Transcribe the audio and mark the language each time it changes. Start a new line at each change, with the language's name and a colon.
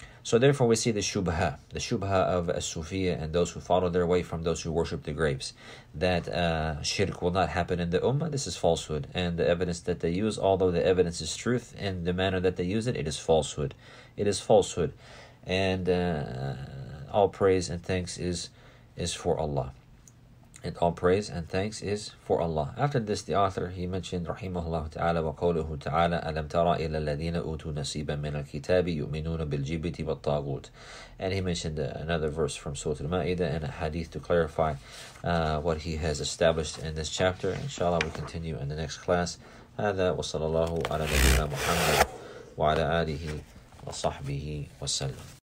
English: So therefore we see the shubha of Sufiya and those who follow their way from those who worship the graves, that shirk will not happen in the ummah. This is falsehood. And the evidence that they use, although the evidence is truth in the manner that they use it, it is falsehood. It is falsehood. And all praise and thanks is for Allah. And all praise and thanks is for Allah. After this, the author, he mentioned,
Arabic: رحمه ta'ala wa قوله تعالى أَلَمْ تَرَى إِلَى الَّذِينَ أُوتُوا نَصِيبًا مِنَ الْكِتَابِ يُؤْمِنُونَ بِالْجِبْتِ وَالطَّاغُوتِ.
English: And he mentioned another verse from Surah Al-Ma'idah and a hadith to clarify what he has established in this chapter. Inshallah, we continue in the next class.
Arabic: هذا وصلى الله على نبينا محمد وعلى آله وصحبه وسلم.